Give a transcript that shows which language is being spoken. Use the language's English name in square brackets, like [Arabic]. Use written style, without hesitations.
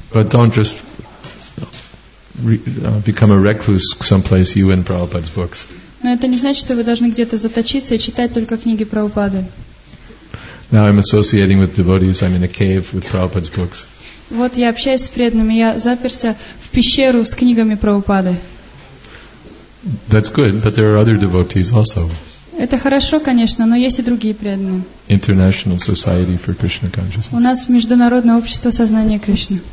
[English] But don't just become a recluse someplace, you and Prabhupada's books. [Russian] Но это не значит, что вы должны где-то заточиться и читать только книги Прабхупады. [English] Now I'm associating with devotees. I'm in a cave with Prabhupada's books. [Russian] Вот я общаюсь с преданными. Я заперся в пещеру с книгами Прабхупады. [English] That's good, but there are other devotees also. [Russian] Это хорошо, конечно, но есть и другие преданные. [English] International Society for Krishna Consciousness. [Russian] У нас международное общество сознания Кришны.